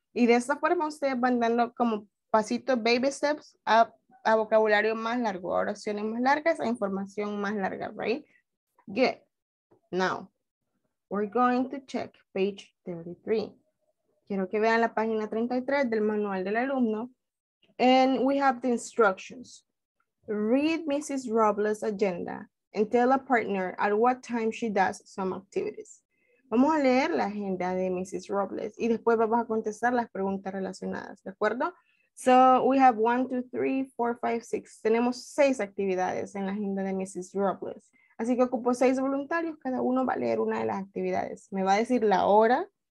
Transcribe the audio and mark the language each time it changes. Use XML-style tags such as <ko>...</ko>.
<es>Y de esta forma ustedes van dando como pasitos,</es> <en>baby steps,</en> <es>a vocabulario más largo, a oraciones más largas, a información más larga,</es> <en>right? Good. Now, we're going to check page 33.</en> <es>Quiero que vean la página 33 del manual del alumno.</es> <en>And we have the instructions. Read Mrs. Robles' agenda and tell a partner at what time she does some activities.</en> <es>Vamos a leer la agenda de Mrs. Robles y después vamos a contestar las preguntas relacionadas, ¿de acuerdo?</es> <en>So we have 1, 2, 3, 4, 5, 6.</en> <es>Tenemos 6 actividades en la agenda de Mrs. Robles. Así que ocupo 6 voluntarios. Cada uno va a leer una de las actividades. Me va a decir la hora.</es>